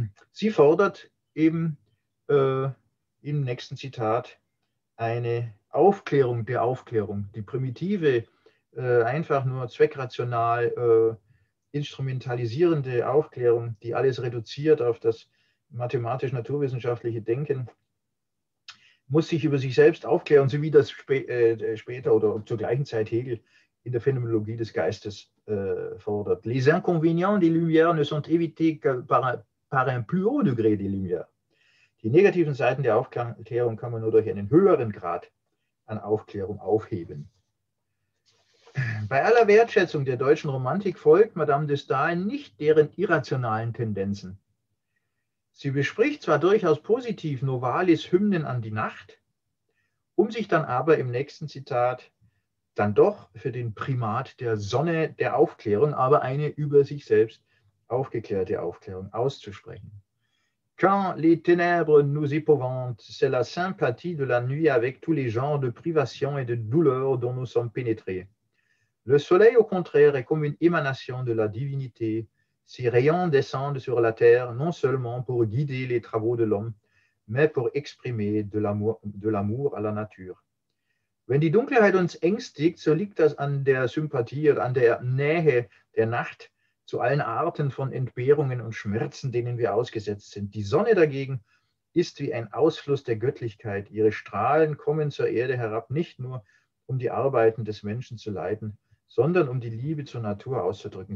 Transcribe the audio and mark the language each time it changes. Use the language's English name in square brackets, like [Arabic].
[German] Sie fordert eben im nächsten Zitat eine Aufklärung der Aufklärung, die primitive, einfach nur zweckrational instrumentalisierende Aufklärung, die alles reduziert auf das mathematisch-naturwissenschaftliche Denken, muss sich über sich selbst aufklären, so wie das später oder zur gleichen Zeit Hegel in der Phänomenologie des Geistes fordert. [French] Les inconvénients des Lumières ne sont évités que par un plus haut degré des Lumières. [German] Die negativen Seiten der Aufklärung kann man nur durch einen höheren Grad an Aufklärung aufheben. Bei aller Wertschätzung der deutschen Romantik folgt Madame de Staël nicht deren irrationalen Tendenzen. Sie bespricht zwar durchaus positiv Novalis' Hymnen an die Nacht, um sich dann aber im nächsten Zitat dann doch für den Primat der Sonne der Aufklärung, aber eine über sich selbst aufgeklärte Aufklärung, auszusprechen. [French] Quand les ténèbres nous épouvantent, c'est la sympathie de la nuit avec tous les genres de privations et de douleurs dont nous sommes pénétrés. Le soleil, au contraire, est comme une émanation de la divinité. Ses rayons descendent sur la terre, non seulement pour guider les travaux de l'homme, mais pour exprimer de l'amour à la nature. [German] Wenn die Dunkelheit uns ängstigt, so liegt das an der Sympathie, an der Nähe der Nacht zu allen Arten von Entbehrungen und Schmerzen, denen wir ausgesetzt sind. Die Sonne dagegen ist wie ein Ausfluss der Göttlichkeit. Ihre Strahlen kommen zur Erde herab, nicht nur, um die Arbeiten des Menschen zu leiten, sondern um die Liebe zur Natur auszudrücken.